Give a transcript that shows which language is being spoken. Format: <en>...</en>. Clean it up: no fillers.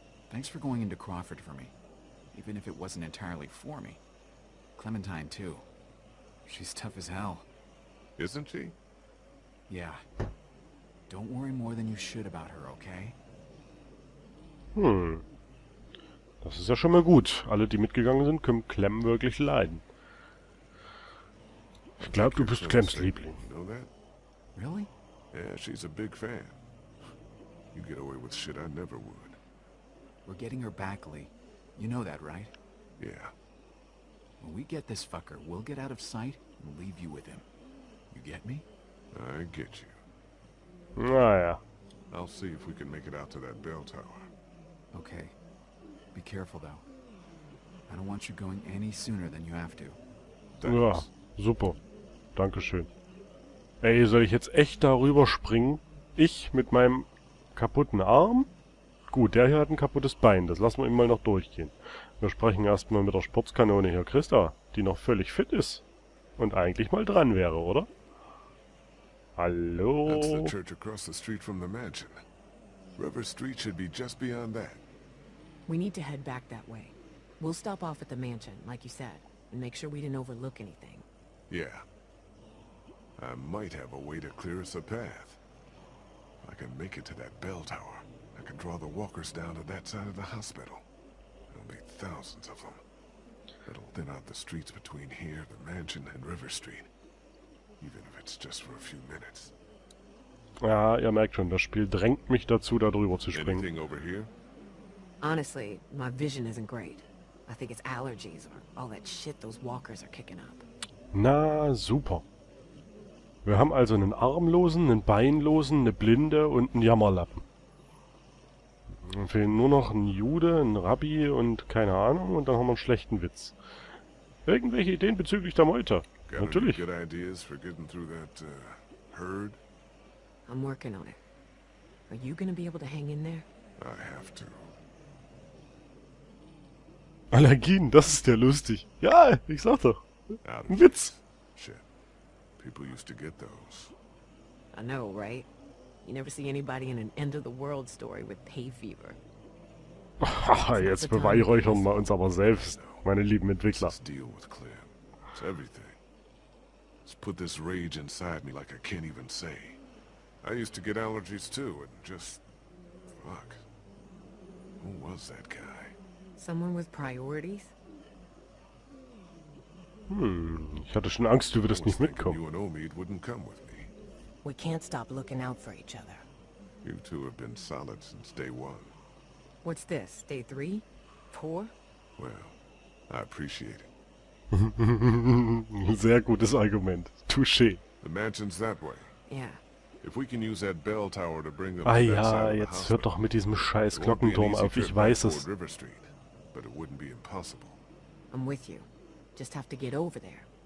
<en>Thanks for going into Crawford for me. Even if it wasn't entirely for me. Clementine too. She's tough as hell. Isn't she? Yeah. Don't worry more than you should about her, okay?</en> <de>Das ist ja schon mal gut. Alle, die mitgegangen sind, können Clem wirklich leiden. Ich glaube, du bist Clems Liebling.</de> <en>Really? Yeah, she's a big fan. You get away with shit I never would. We're getting her back, Lee. You know that, right? Yeah. When we get this fucker, we'll get out of sight and leave you with him. You get me? I get you. Ah, yeah. I'll see if we can make it out to that bell tower. Okay. Be careful, though. I don't want you going any sooner than you have to. Thanks.</en> <de>Ja, super. Dankeschön. Ey, soll ich jetzt echt darüber springen? Ich mit meinem kaputten Arm? Gut, der hier hat ein kaputtes Bein. Das lassen wir ihm mal noch durchgehen. Wir sprechen erstmal mit der Sportskanone hier, Christa, die noch völlig fit ist und eigentlich mal dran wäre, oder? Hallo?</de> <en>That's the church across the street from the mansion. River Street should be just beyond that. We need to head back that way. We'll stop off at the mansion, like you said, and make sure we didn't overlook anything. Yeah. I might have a way to clear us a path. I can make it to that bell tower. I can draw the walkers down to that side of the hospital. There'll be thousands of them. It'll thin out the streets between here, the mansion, and River Street. Even if it's just for a few minutes.</en> <de>Ja, ihr merkt schon, das Spiel drängt mich dazu, da drüber zu springen.</de> <en>Anything over here? Honestly, my vision isn't great. I think it's allergies or all that shit those walkers are kicking up.</en> <de>Na, super. Wir haben also einen Armlosen, einen Beinlosen, eine Blinde und einen Jammerlappen. Dann fehlen nur noch ein Jude, ein Rabbi und keine Ahnung und dann haben wir einen schlechten Witz. Irgendwelche Ideen bezüglich der Meute? Natürlich.</de> <en>Got any good ideas for getting through that, herd? I'm working on it. Are you gonna be able to hang in there? I have to.</en> <de>Allergien, das ist ja lustig. Ja, ich sag doch. Ein Witz.</de> <en>Shit. People used to get those. I know, right? You never see anybody in an end-of-the-world story with hay fever.</en> <de>Haha, jetzt beweihräuchern wir uns aber selbst, meine lieben Entwickler.</de> <en>Let's deal with Claire. It's everything. It's put this rage inside me like I can't even say. I used to get allergies too, and just... Fuck. Who was that guy? Someone with priorities?</en> <de>Ich hatte schon Angst, du würdest nicht mitkommen.</de> <en>You and Omid wouldn't come with me. We can't stop looking out for each other. You two have been solid since day one. What's this? Day three? Four? Well, I appreciate it.</en> <de>Sehr gutes Argument. Touché.</de> <en>The mansion's that way. Yeah. If we can use that bell tower to bring them</en> <de>ah ja, jetzt hört doch mit diesem scheiß Glockenturm auf, ich weiß es.</de> <en>River Street, but it wouldn't be impossible. I'm with you. Just have to get over there.</en>